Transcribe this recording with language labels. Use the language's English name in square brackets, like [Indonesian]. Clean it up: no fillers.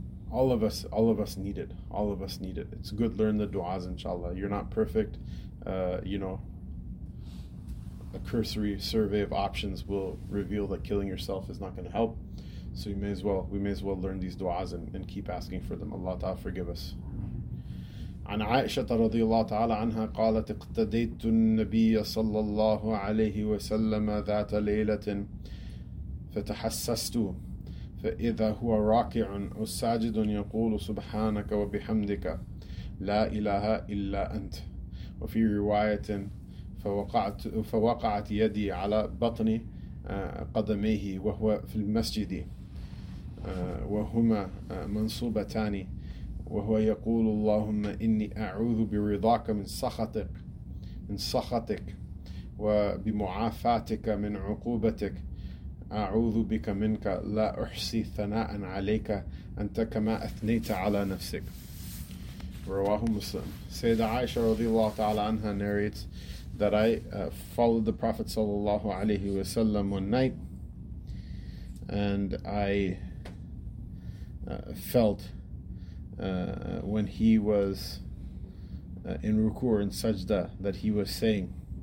[English] All of us need it. All of us need it. It's good. Learn the du'as, inshallah. You're not perfect. A cursory survey of options will reveal that killing yourself is not going to help. So we may as well learn these du'as and keep asking for them. Allah ta'ala forgive us. [Arabic] عن عائشة رضي الله تعالى عنها قالت اقتديت النبي صلى الله عليه وسلم ذات ليلة فتحسست فإذا هو راكع أو ساجد يقول سبحانك وبحمدك لا إله إلا أنت وفي رواية فوقعت يدي على بطن قدميه وهو في المسجد وهما منصوبتان وهو يقول اللهم إني أعوذ برضاك من سخطك وبمعافاتك من عقوبتك أعوذ بك منك لا أحصي ثناء عليك أنت كما أثنيت على نفسك. رواه مسلم. [English] سيدة عائشة [Arabic] رضي الله تعالى عنها [English] narrates that I followed the Prophet [Arabic] صلى الله عليه وسلم [English] one night and I felt when he was in ruku or in sajda that he was saying